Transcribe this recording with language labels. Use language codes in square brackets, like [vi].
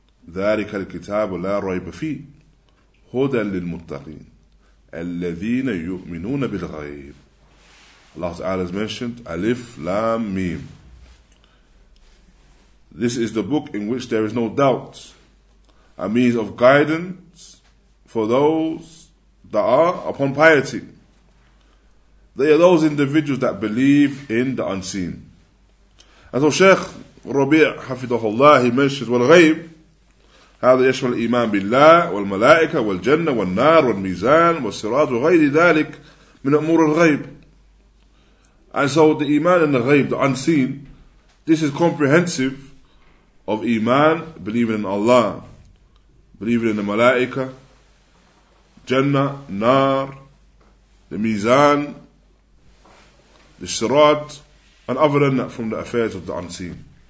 [ar] ذَلِكَ الْكِتَابُ لَا رَيْبَ فِيهِ هُدًى لِلْمُتَّقِينَ الَّذِينَ يُؤْمِنُونَ بِالْغَيْبِ [en] Allah Ta'ala has mentioned Alif Lam Mim. This is the book in which there is no doubt, a means of guidance for those that are upon piety. They are those individuals that believe in the unseen. And so Shaykh Rabi' Hafidahullah, he mentions [ar] وَالْغَيْبِ هذا يشمل الإيمان بالله والملائكة والجنة والنار والميزان والصراط وغير ذلك من أمور الغيب. [en] And so the Iman in the Ghaib, the unseen, this is comprehensive of Iman, believing in Allah, believing in the Malaika, Jannah, Nar, the Mizan, the Sirat, and other than that from the affairs of the unseen.